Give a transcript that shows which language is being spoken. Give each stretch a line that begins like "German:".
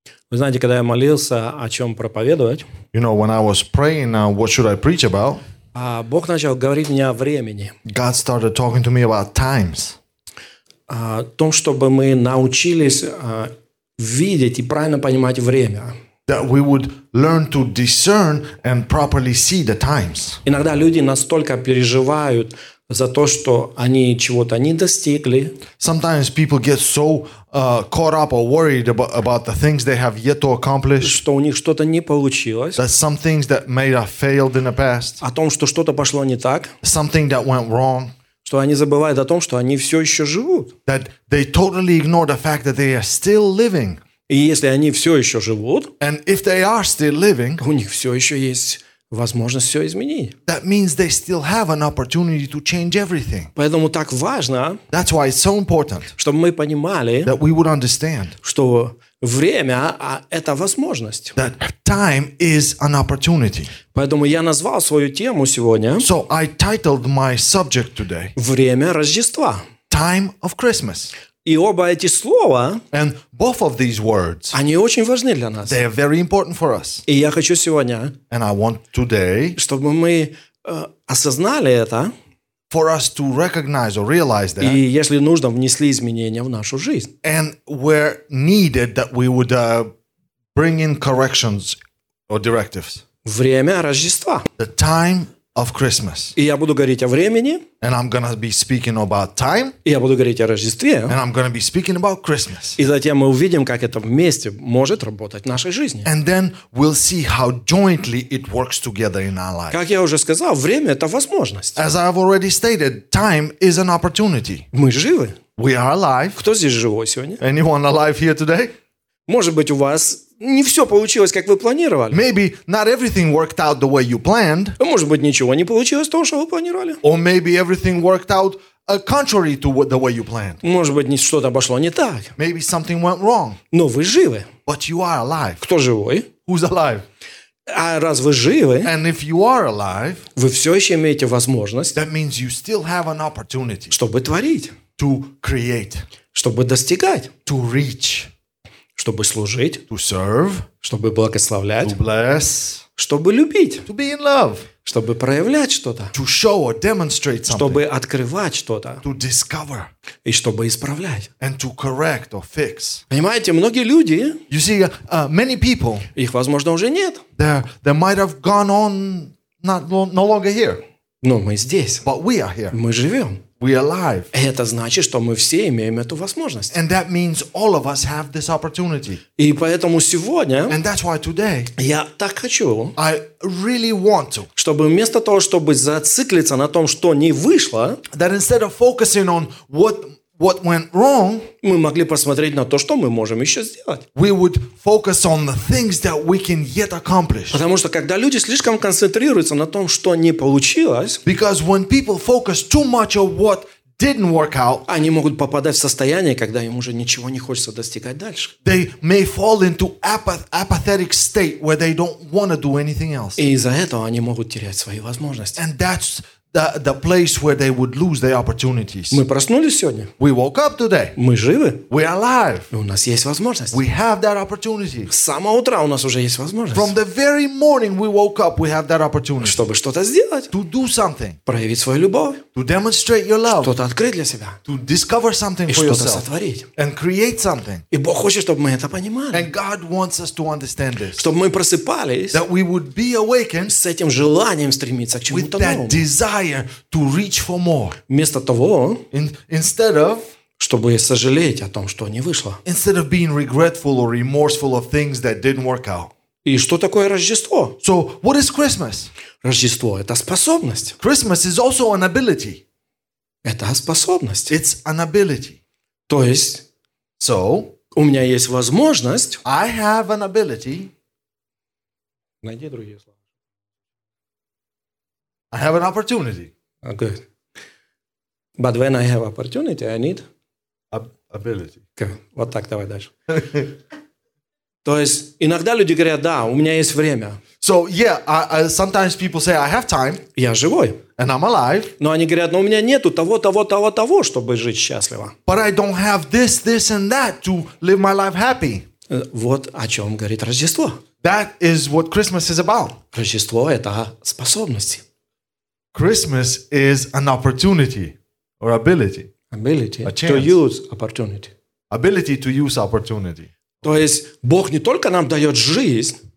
Russian: Вы знаете, когда я молился, о чем проповедовать?
English: You know, when I was praying, what should I preach about?
Russian: Бог начал говорить мне о времени.
English: God started talking to me about times.
Russian: Том, чтобы мы научились видеть и правильно понимать время.
English: That we would learn to discern and properly see the times.
Russian: Иногда люди настолько переживают за то, что они чего-то не достигли.
English: Sometimes people get so caught up or worried about the things they have yet to accomplish.
Russian: Что у них что-то не получилось.
English: That some things that may have failed in the past.
Russian: О том, что что-то пошло не так.
English: Something that went wrong.
Russian: Что они забывают о том, что они все еще живут.
English: That they totally ignore the fact that they are still living.
Russian: И если они все еще живут,
English: and if they are still living,
Russian: у них все еще есть возможность все изменить.
English: That means they still have an opportunity to change everything.
Russian: Поэтому так важно,
English: that's why it's so important,
Russian: чтобы мы понимали,
English: that we would understand,
Russian: что время – это возможность.
English: That time is an opportunity.
Russian: Поэтому я назвал свою тему сегодня,
English: so I titled my subject today,
Russian: «Время Рождества».
English: Time of Christmas.
Russian: И оба эти слова,
English: and both of these words,
Russian: они очень важны для нас.
English: They are very important for us.
Russian: И я хочу сегодня,
English: and I want today,
Russian: чтобы мы осознали это,
English: for us to recognize or realize that,
Russian: и если нужно, внесли изменения в нашу жизнь.
English: And where needed, that we would bring in corrections or directives.
Russian: Время Рождества.
English: The time of Christmas.
Russian: И я буду говорить о времени.
English: And I'm going to be speaking about time.
Russian: И я буду говорить о Рождестве.
English: And I'm going to be speaking about Christmas.
Russian: И затем мы увидим, как это вместе может работать в нашей жизни.
English: And then we'll see how jointly it works together in our life.
Russian: Как я уже сказал, время – это возможность.
English: As I've already stated, time is an opportunity.
Russian: Мы живы.
English: We are alive.
Russian: Кто здесь живой сегодня?
English: Anyone alive here today?
Russian: Может быть, у вас не все получилось, как вы планировали.
English: Maybe not everything worked out the way you planned.
Russian: Может быть, ничего не получилось того, что вы планировали.
English: Or maybe everything worked out contrary to the way you planned.
Russian: Может быть, что-то пошло не так.
English: Maybe something went wrong.
Russian: Но вы живы.
English: But you are alive.
Russian: Кто живой?
English: Who's alive?
Russian: А раз вы живы,
English: and if you are alive,
Russian: вы все еще имеете возможность,
English: that means you still have an opportunity,
Russian: чтобы творить,
English: to create,
Russian: чтобы достигать,
English: to reach,
Russian: чтобы служить,
English: to serve,
Russian: чтобы благословлять,
English: to bless,
Russian: чтобы любить,
English: to be in love,
Russian: чтобы проявлять что-то,
English: to show or demonstrate something,
Russian: чтобы открывать что-то,
English: to discover,
Russian: и чтобы исправлять,
English: and to correct or fix.
Russian: Понимаете, многие люди,
English: you see, many people,
Russian: их, возможно, уже нет.
English: They might have gone on not, no longer here.
Russian: Но мы здесь.
English: But we are here.
Russian: Мы живем.
English: We are alive.
Russian: Это значит, что мы все имеем эту возможность.
English: And that means all of us have this opportunity.
Russian: И поэтому сегодня,
English: and that's why today,
Russian: я так хочу,
English: I really want to,
Russian: чтобы вместо того, чтобы зациклиться на том, что не вышло,
English: that instead of focusing on what went wrong,
Russian: мы могли посмотреть на то, что мы можем еще сделать.
English: We would focus on the things that we can yet accomplish.
Russian: Потому что когда люди слишком концентрируются на том, что не получилось,
English: because when people focus too much on what didn't work out,
Russian: они могут попадать в состояние, когда им уже ничего не хочется достигать дальше.
English: They may fall into apathetic state where they don't want to do anything else.
Russian: И из-за этого они могут терять свои возможности.
English: And that's the place where they would lose their opportunities.
Russian: Мы проснулись сегодня.
English: We woke up today.
Russian: Мы живы.
English: We are alive.
Russian: У нас есть возможность.
English: We have that opportunity.
Russian: С самого утра у нас уже есть возможность.
English: From the very morning we woke up, we have that opportunity.
Russian: Чтобы что-то сделать.
English: To do something.
Russian: Проявить свою любовь.
English: To demonstrate your love.
Russian: Что-то открыть для себя.
English: To discover something for yourself.
Russian: И что-то сотворить.
English: And create something.
Russian: И Бог хочет, чтобы мы это понимали.
English: And God wants us to understand this.
Russian: Чтобы мы просыпались.
English: That we would be awakened.
Russian: С этим желанием стремиться к чему-то новому.
English: With that desire to reach for more.
Russian: Вместо того,
English: instead of,
Russian: чтобы сожалеть о том, что не вышло.
English: Instead of being regretful or remorseful of things that didn't work out.
Russian: И что такое Рождество?
English: So, what is Christmas?
Russian: Рождество – это способность.
English: Christmas is also an ability.
Russian: Это способность.
English: It's an ability.
Russian: То есть,
English: so,
Russian: у меня есть возможность.
English: I have an ability.
Russian: Найди другие слова.
English: I have an opportunity. Oh, good. But when I have opportunity, I need? Ability.
Russian: Okay. Вот так давай дальше. То есть, иногда люди говорят, да, у меня есть время.
English: So, yeah, sometimes people say, I have time.
Russian: Я живой.
English: And I'm alive.
Russian: Но они говорят, но у меня нету того, чтобы жить счастливо.
English: But I don't have this, this, and that to live my life happy.
Russian: Вот о чем говорит Рождество.
English: That is what Christmas is about.
Russian: Рождество – это способности.
English: Christmas is an opportunity or ability. Ability a chance. To use opportunity. Ability to use opportunity.
Russian: То есть Бог не только нам дает жизнь.